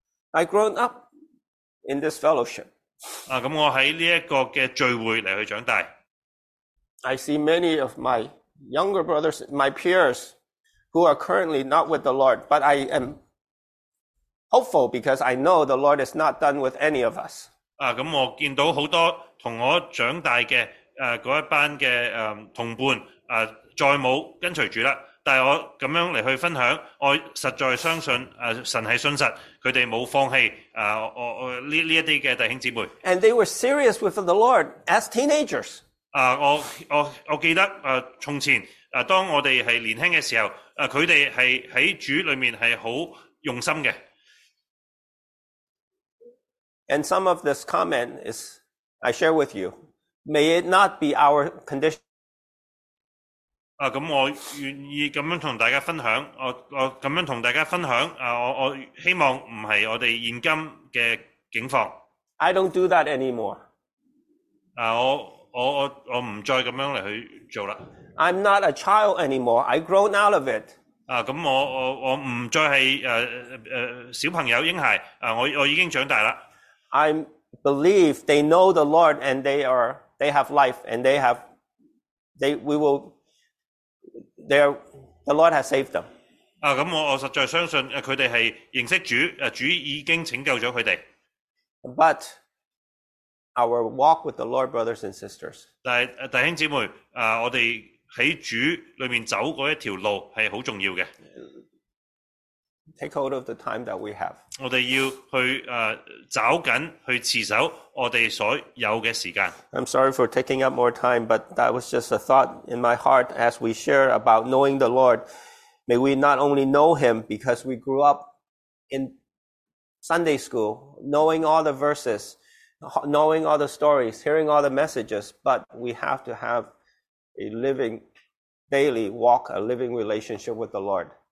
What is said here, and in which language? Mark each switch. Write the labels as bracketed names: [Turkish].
[English] ？I grown up in this fellowship。 [Cantonese] 咁我喺呢一个嘅聚会嚟去长大。 [English] I see many of my younger brothers, my peers, who are currently not with the Lord, but I am hopeful because I know the Lord is not done with any of us。 [Cantonese] 咁我见到好多同我长大嘅。嗰一班嘅同伴再冇跟随主啦，但系我咁样嚟去分享，我实在相信神系信实，佢哋冇放弃呢一啲嘅弟兄姊妹。 [English] And they were serious with the Lord as teenagers。 [Cantonese] 我记得从前当我哋系年轻嘅时候，佢哋系喺主里面系好用心嘅。 [English] And some of this comment is I share with you. May it not be our condition. [Cantonese] 咁我愿意咁样同大家分享，我咁样同大家分享，我希望唔系我哋现今嘅境况。 [English] I don't do that anymore. [Cantonese] 我唔再咁样嚟去做啦。 [English] I'm not a child anymore. I've grown out of it. [Cantonese] 咁我唔再系小朋友婴孩，我已经长大啦。 [English] I believe they know the Lord and they have life, and the Lord has saved them. [Cantonese] 咁我实在相信佢哋系认识主，主已经拯救咗佢哋。 [English] But our walk with the Lord, brothers and sisters. [Cantonese] 但系弟兄姊妹，我哋喺主里面走嗰一条路系好重要嘅。 [English] Take hold of the time that we have. [Cantonese] 我哋要去找紧去持守我哋所有嘅时间。 [English] I'm sorry for taking up more time, but that was just a thought in my heart as we share about knowing the Lord. May we not only know Him because we grew up in Sunday school, knowing all the verses, knowing all the stories, hearing all the messages, but we have to have a living daily walk, a living relationship with the Lord.